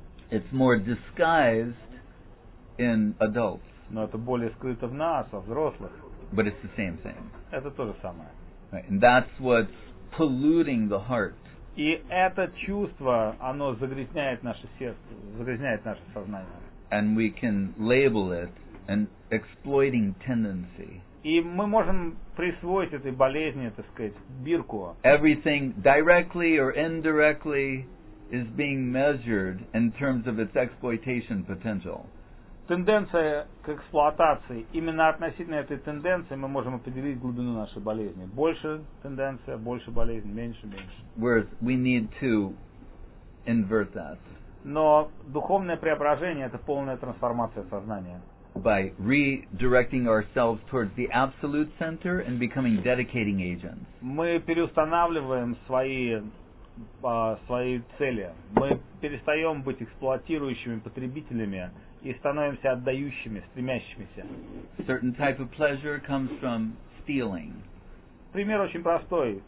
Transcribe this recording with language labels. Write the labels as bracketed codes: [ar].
[en] It's more disguised in adults. [ru] Но это более скрыто в нас, во взрослых. [en] But it's the same thing. [ru] Это то же самое. [en] Right. And that's what's polluting the heart. [ru] И это чувство, оно загрязняет наше сердце, загрязняет наше сознание. [en] And we can label it an exploiting tendency. [ru] И мы можем присвоить этой болезни, так сказать, бирку. [en] Everything directly or indirectly is being measured in terms of its exploitation potential. [ru] Тенденция к эксплуатации, именно относительно этой тенденции мы можем определить глубину нашей болезни. Больше тенденция, больше болезнь, меньше. [en] Whereas we need to invert that. [ru] Но духовное преображение — это полная трансформация сознания. [en] By redirecting ourselves towards the absolute center and becoming dedicating agents. [ru] Мы переустанавливаем свои цели. Мы перестаем быть эксплуатирующими потребителями и становимся отдающими, стремящимися. [en] Certain type of pleasure comes from stealing. [ru] Пример очень простой.